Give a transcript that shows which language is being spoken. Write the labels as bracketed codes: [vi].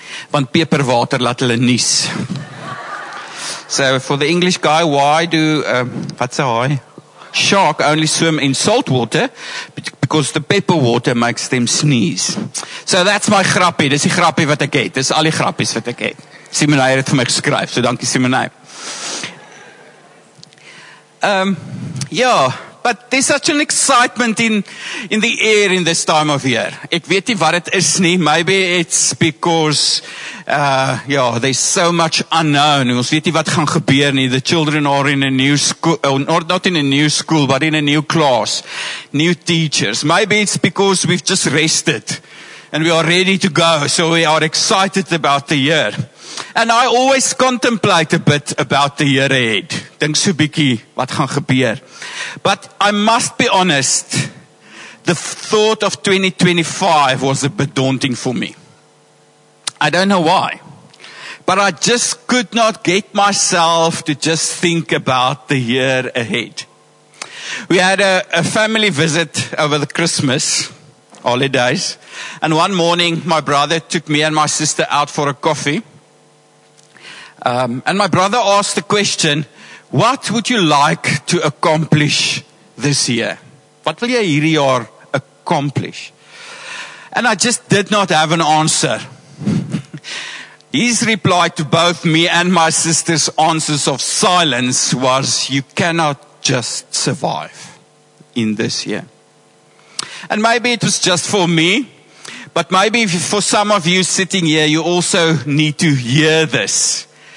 [af] Want peperwater laat hulle nies. [en] So for the English guy, why do, [af] wat sê haai? [en] Shark only swim in salt water because the pepper water makes them sneeze. So that's my [af] grappie, dis die grappie wat ek het, dis al die grappies wat ek het. Simone het vir my geskryf, so dankie Simone. [en] But there's such an excitement in the air in this time of year. [af] Ek weet nie wat het is nie, [en] maybe it's because there's so much unknown. [af] Ons weet nie wat gaan gebeur nie. [en] The children are in a new school, or not in a new school, but in a new class. New teachers. Maybe it's because we've just rested and we are ready to go, so we are excited about the year. And I always contemplate a bit about the year ahead. [af] Dink so bietjie wat gaan gebeur. [en] But I must be honest, the thought of 2025 was a bit daunting for me. I don't know why. But I just could not get myself to just think about the year ahead. We had a family visit over the Christmas holidays. And one morning, my brother took me and my sister out for a coffee. And my brother asked the question, what would you like to accomplish this year? [af] Wat wil jy hierdie jaar accomplish? [en] And I just did not have an answer. His reply to both me and my sister's answers of silence was, you cannot just survive in this year. And maybe it was just for me, but maybe for some of you sitting here, you also need to hear this.